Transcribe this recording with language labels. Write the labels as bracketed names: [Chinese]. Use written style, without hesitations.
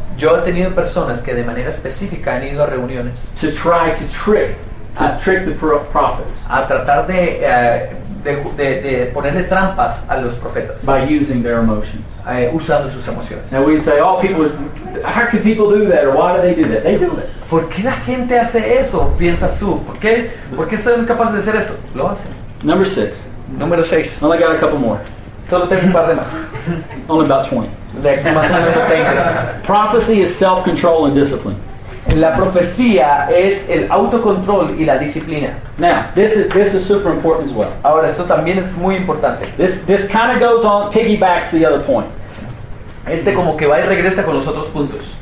[Spanish] Yo he tenido personas que de manera específica han ido a reuniones. [English] To try to trick. Trick the prophets. [Spanish] A tratar de ponerle trampas a los profetas. [English] By using their emotions. [Spanish] Usando sus emociones. [English] Now we say, oh, people, how can people do that? Or why do they do that? They do it. [Spanish] ¿Por qué la gente hace eso? Piensas tú. ¿Por qué son capaces de hacer eso? Lo hacen. [English] Number six. [Spanish] Número 6. [English] Well, I got a couple more. [Spanish] Solo tengo un par de más. [English] Only about 20. [Spanish] De más o menos 20. [English] Prophecy is self-control and discipline. [Spanish] La profecía es el autocontrol y la disciplina. [English] Now, this is super important as well. [Spanish] Ahora, esto también es muy importante. [English] This kind of goes on, piggybacks the other point. [Spanish] Este como que va y regresa con los otros puntos.